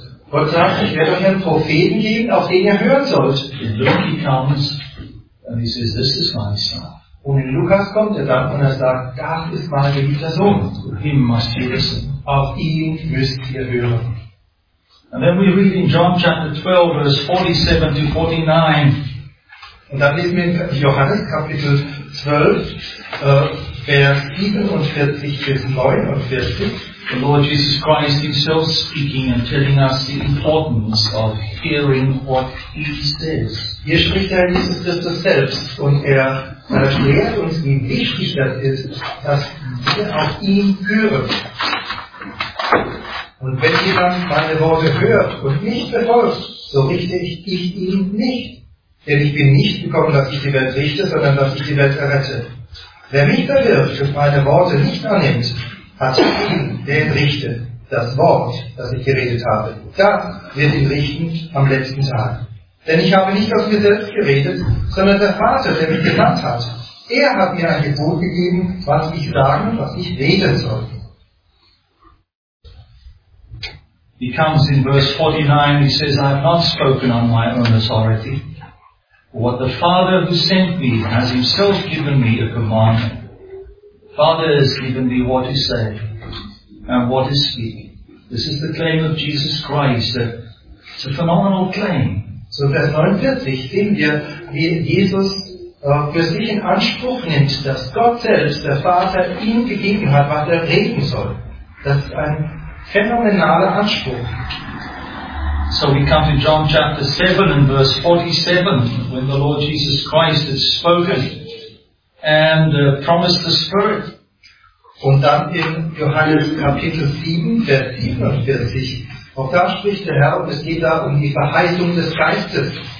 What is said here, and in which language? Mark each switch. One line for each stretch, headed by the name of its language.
German: Gott sagt, ich werde euch einen Propheten geben, auf den ihr hören sollt.
English: In Luke comes and he says, this is my son.
German: Und in Lukas kommt er dann und er sagt, das ist mein geliebter Sohn.
English: To him must you listen.
German: Auf ihn müsst ihr hören.
English: And then we read in John chapter 12, verse 47 to 49.
German: Und dann lesen wir in Johannes Kapitel 12, Vers 47 bis 49.
English: The Lord Jesus Christ himself speaking and telling us the importance of hearing what he says.
German: Hier spricht der Herr Jesus Christus selbst und er erklärt uns, wie wichtig das ist, dass wir auf ihn hören. Und wenn jemand meine Worte hört und nicht befolgt, so richte ich ihn nicht. Denn ich bin nicht gekommen, dass ich die Welt richte, sondern dass ich die Welt errette. Wer mich verwirft und meine Worte nicht annimmt, hat ihn, den richte, das Wort, das ich geredet habe. Das wird ihn richten am letzten Tag. Denn ich habe nicht aus mir selbst geredet, sondern der Vater, der mich gesandt hat. Er hat mir ein Gebot gegeben, was ich sagen, was ich reden soll.
English: He comes in verse 49, he says, I have not spoken on my own authority. What the Father who sent me has himself given me a commandment. Father has given me what is said and what is speaking. This is the claim of Jesus Christ. It's a phenomenal claim.
German: So Vers 49 sehen wir, wie Jesus für sich in Anspruch nimmt, dass Gott selbst, der Vater, ihm gegeben hat, was er reden soll. Das ist ein phänomenaler Anspruch.
English: So we come to John chapter 7 and verse 47, when the Lord Jesus Christ has spoken and promised the Spirit.
German: Und dann in Johannes Kapitel 7, Vers 47. Auch da spricht der Herr, und es geht da um die Verheißung des Geistes.